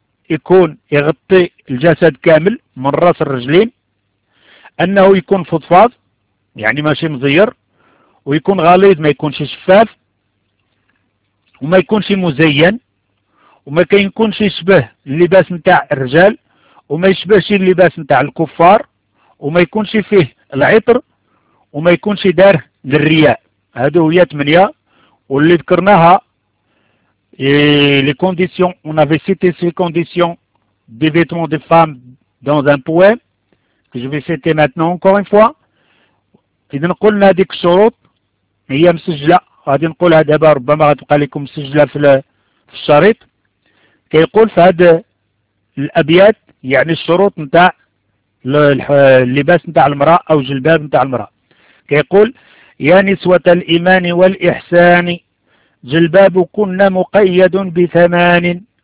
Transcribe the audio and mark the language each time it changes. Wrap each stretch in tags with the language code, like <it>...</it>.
<ar>يكون يغطي الجسد كامل من راس الرجلين، انه يكون فضفاض يعني ماشي مزير، ويكون غليظ ما يكونش شفاف، وما يكونش مزين، وما كان يكونش يشبه اللباس نتاع الرجال، وما يشبهش اللباس نتاع الكفار، وما يكونش فيه العطر، وما يكونش دار للرياء. هذه هي 8 واللي ذكرناها</ar> <fr>les conditions. On avait cité ces conditions des vêtements des femmes dans un poème que je vais citer maintenant encore une fois.</fr> <ar>إذا قلنا هذيك الشروط هي مسجلة، غادي نقولها دابا ربما غتبقى لكم مسجلة في الشريط. كيقول في هذه الأبيات يعني الشروط نتاع اللباس نتاع المرأة أو جلباب نتاع المرأة، كيقول: يا نسوة الإيمان والإحسان، جلبابكن مقيد بثمان،</ar>